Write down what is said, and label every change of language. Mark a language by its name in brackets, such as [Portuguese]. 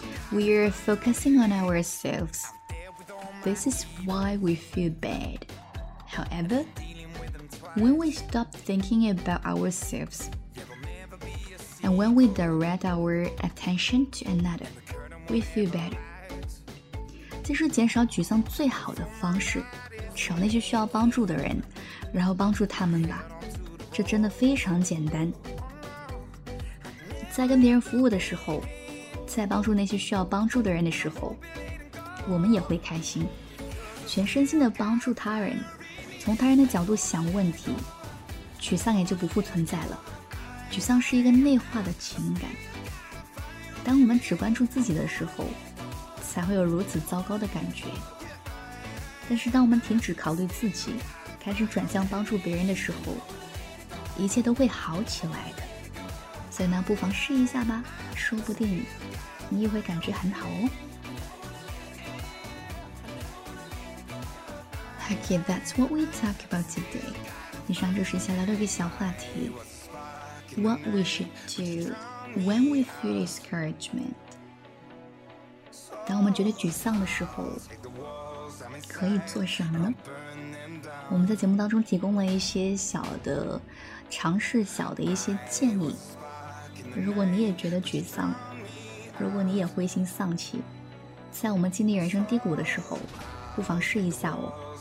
[English] We are focusing on ourselves. This is why we feel bad. However, when we stop thinking about ourselves, and when we direct our attention to another, we feel better. [Chinese] 这是减少沮丧最好的方式，找那些需要帮助的人，然后帮助他们吧。这真的非常简单。在跟别人服务的时候，在帮助那些需要帮助的人的时候，我们也会开心，全身心的帮助他人，从他人的角度想问题，沮丧也就不复存在了。沮丧是一个内化的情感，当我们只关注自己的时候，才会有如此糟糕的感觉。但是当我们停止考虑自己，开始转向帮助别人的时候，一切都会好起来的。所以呢，不妨试一下吧，说不定你也会感觉很好哦。 [English] Okay, that's what we talk about today. [Chinese] 以上就是下来的一个小话题。 [English] What we should do when we feel discouragement. [Chinese] 当我们觉得沮丧的时候，可以做什么呢？我们在节目当中提供了一些小的尝试，小的一些建议。如果你也觉得沮丧，如果你也灰心丧气，在我们经历人生低谷的时候，不妨试一下哦。